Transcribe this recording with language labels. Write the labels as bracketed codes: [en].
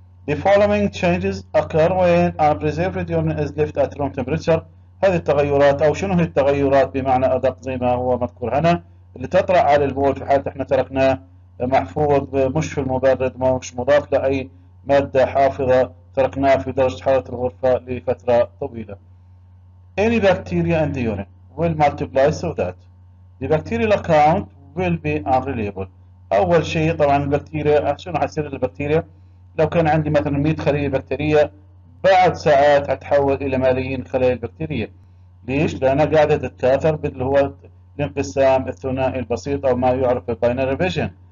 [en] The following changes occur when a preserved urine is left at room temperature [ar] هذه التغيرات او شنو هي التغيرات بمعنى ادق زي ما هو مذكور هنا اللي تطرا على البول في حاله احنا تركناه محفوظ مش في المبرد مش مضاف لاي ماده حافظه تركناه في درجة حرارة الغرفة لفترة طويلة. [en] Any bacteria in the urine will multiply so that the bacterial count will be unreliable. [ar] أول شيء طبعا البكتيريا شنو حيصير للبكتيريا؟ لو كان عندي مثلا 100 خلية بكتيرية بعد ساعات حتحول إلى ملايين الخلايا البكتيرية. ليش؟ لأنها قاعدة تتكاثر اللي هو الانقسام الثنائي البسيط أو ما يعرف بالباينري فيجن.